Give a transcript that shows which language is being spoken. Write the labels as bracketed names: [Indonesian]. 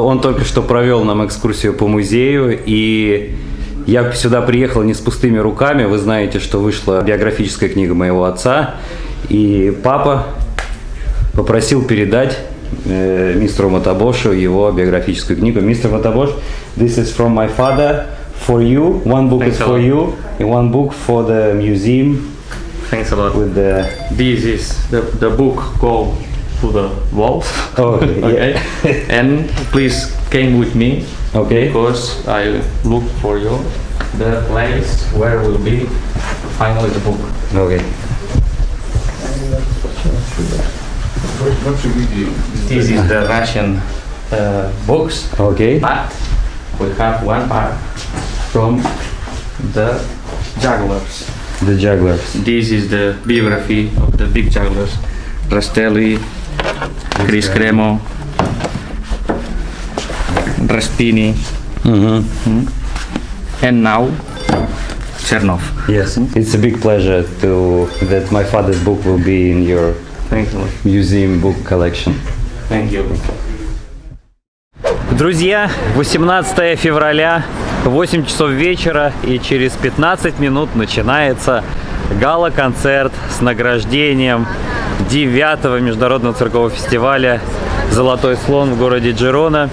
[Russian] Он только что провел нам экскурсию по музею, и я сюда приехал не с пустыми руками. Вы знаете, что вышла биографическая книга моего отца, и папа попросил передать мистеру Мотобошу его биографическую книгу. [English] Мистер Мотобош, this is from my father for you. One book is for you, and one book for the museum. Thanks a lot. This is the book called To the Wolf. Okay. And please came with me. Okay. Because I look for you the place where will be finally the book. Okay. What should we do? This is the Russian books. Okay. But we have one part from the jugglers. The jugglers. This is the biography of the big jugglers. Rastelli, Chris Cremo, Raspini, and now Chernov. Yes, it's a big pleasure to that my father's book will be in your museum book collection. Thank you. [Russian] Друзья, 18 февраля, 8 часов вечера, и через 15 минут начинается гала-концерт с награждением 9-го международного циркового фестиваля «Золотой слон» в городе Джирона.